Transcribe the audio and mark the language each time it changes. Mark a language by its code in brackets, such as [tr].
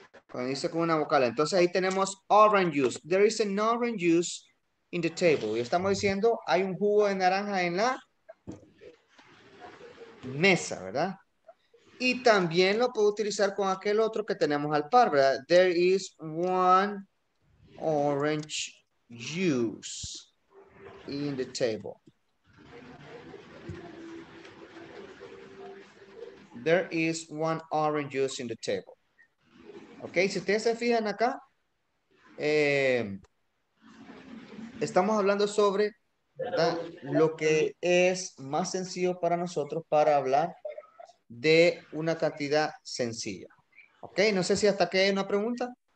[es] Cuando inicia con una vocal. Entonces ahí tenemos orange juice. [en] There is an orange juice in the table. [es] Y estamos diciendo, hay un jugo de naranja en la mesa, ¿verdad? Y también lo puedo utilizar con aquel otro que tenemos al par, ¿verdad? [en] There is one orange juice in the table. There is one orange juice in the table. [es] Ok, si ustedes se fijan acá, estamos hablando sobre, ¿verdad?, lo que es más sencillo para nosotros para hablar de una cantidad sencilla. Ok, no sé si hasta aquí hay una pregunta.